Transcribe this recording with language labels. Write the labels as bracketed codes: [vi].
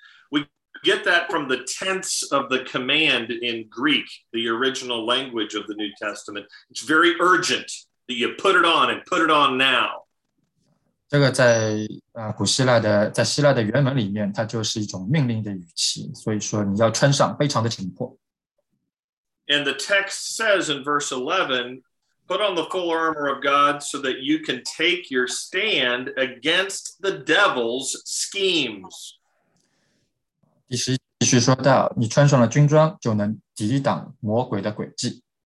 [en] We get that from the tense of the command in Greek, the original language of the New Testament. It's very urgent that you put it on and put it on now. [zh] 这个在古希腊的在希腊的原文里面，它就是一种命令的语气。所以说你要穿上，非常的紧迫。 [en] And the text says in verse 11, put on the full armor of God so that you can take your stand against the devil's schemes. [zh] 第十说到, 你穿上了军装就能抵挡魔鬼的诡计。